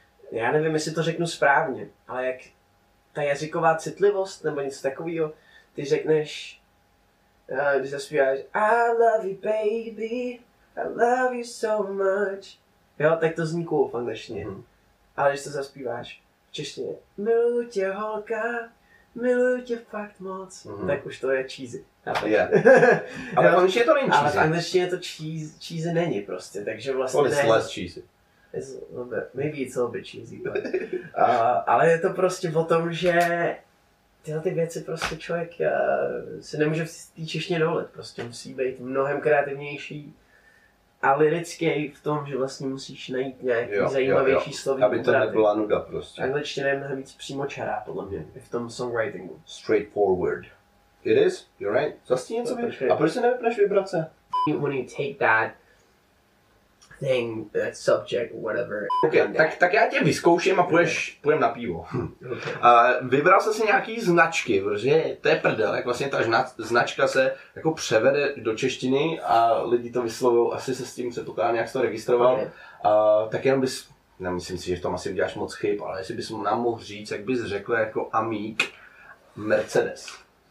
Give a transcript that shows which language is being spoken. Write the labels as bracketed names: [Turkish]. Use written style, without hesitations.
[Czech] Já nevím, jestli to řeknu správně, ale jak ta jazyková citlivost nebo něco takového, ty řekneš, když zaspíváš [English] I love you baby, I love you so much, [Czech] jo, tak to zní cool v angličtině. Mm-hmm. Ale když to zaspíváš v češtině, miluju tě holka, miluju tě fakt moc, tak už to je cheesy. [English] Yeah. [Czech] Ale v angličtině to není cheesy. Ale v angličtině to cheesy není prostě, takže vlastně [English] ne. It's less cheesy. It's a little bit, maybe it's a little bit cheesy. [Czech] But, ale je to prostě o tom, že tyhle ty věci prostě člověk se nemůže v té češtině dovolit. Prostě musí být mnohem kreativnější. A lirický v tom, že vlastně musíš najít nějaký zajímavější slovní obraty. Aby to nebyla nuda prostě. Angličtina je mnohem víc přímočará, podle mě, v tom songwritingu. [English] Straightforward. It is? You're right? [Czech] Zase ti něco vybrat? A proč se nevypneš vibrace? [English] When you take that thing, that subject, whatever. [Czech] Okay, tak já tě vyzkouším a půjdem na pivo. Vybral jsi si nějaký značky, protože to je prdel, jak vlastně ta značka se jako převede do češtiny a lidi to vyslovují, asi se s tím se pokládá, nějak to registroval. Okay. Tak jenom bys, nemyslím si, že v tom asi uděláš moc chyb, ale jestli bys nám mohl říct, jak bys řekl jako amík Mercedes.